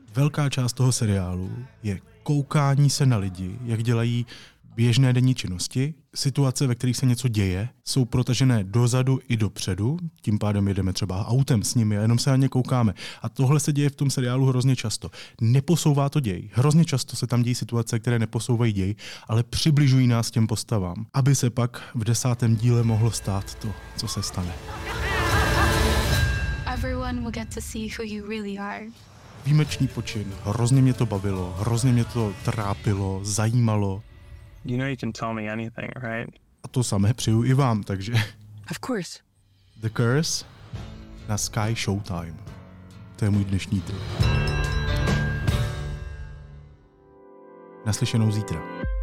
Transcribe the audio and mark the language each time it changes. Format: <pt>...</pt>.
<cs>Velká část toho seriálu je koukání se na lidi, jak dělají běžné denní činnosti, situace, ve kterých se něco děje, jsou protažené dozadu i dopředu, tím pádem jedeme třeba autem s nimi a jenom se na ně koukáme. A tohle se děje v tom seriálu hrozně často. Neposouvá to děj. Hrozně často se tam dějí situace, které neposouvají děj, ale přibližují nás těm postavám, aby se pak v 10. díle mohlo stát to, co se stane.</cs> <en>Everyone will get to see who you really are.</en> <cs>Výjimečný počin. Hrozně mě to bavilo, hrozně mě to trápilo, zajímalo.</cs> <en>You know you can tell me anything, right?</en> <cs>A to samé přeju i vám, takže.</cs> <en>Of course.</en> <cs>The Curse na Sky Showtime. To je můj dnešní tip. Naslyšenou zítra.</cs>